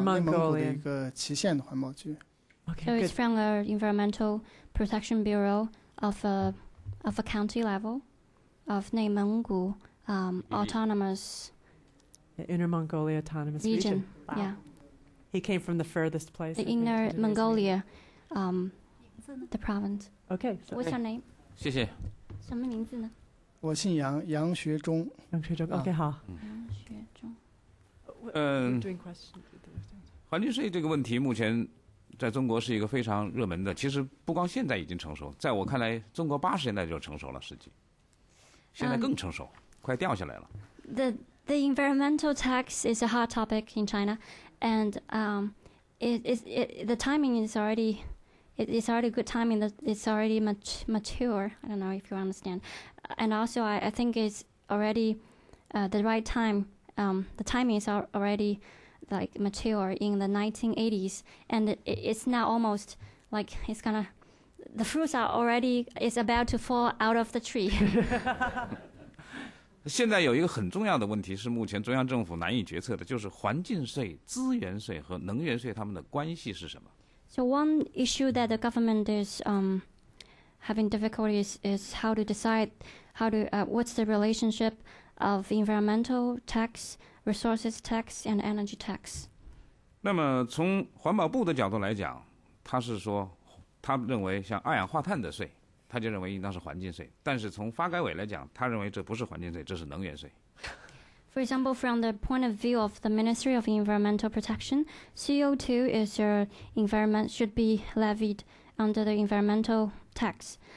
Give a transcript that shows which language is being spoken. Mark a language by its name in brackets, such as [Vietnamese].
[Chinese] 内蒙古的一个旗县的环保局。 [English] Okay, so good. It's from the Environmental Protection Bureau of a county level of 内蒙古 autonomous. Inner Mongolia Autonomous Region. Wow. Yeah. He came from the furthest place. The Inner Mongolia, the province. Okay. So what's your name? [Chinese] 谢谢。什么名字呢？我姓杨，杨学忠。杨学忠。OK， 好。杨学忠。 [English] Doing questions. [Chinese] 环境税这个问题目前在中国是一个非常热门的，其实不光现在已经成熟，在我看来，中国80年代就成熟了，实际。现在更成熟，快掉下来了。 [English] The environmental tax is a hot topic in China, and the timing is already it's already good timing. It's already much mature. I don't know if you understand. And also, I think it's already the right time. The timing is already like mature in the 1980s, and it's now almost like it's gonna. The fruits are already is about to fall out of the tree. [Chinese] 现在有一个很重要的问题是目前中央政府难以决策的，就是环境税、资源税和能源税它们的关系是什么 [English] ？So one issue that the government is having difficulties is how to decide what's the relationship of environmental tax, resources tax, and energy tax. [Chinese] 那么从环保部的角度来讲，他是说，他认为像二氧化碳的税。他就认为应当是环境税，但是从发改委来讲，他认为这不是环境税，这是能源税。 [English] For example, from the point of view of the Ministry of Environmental Protection, CO2 is your environment should be levied under the environmental tax.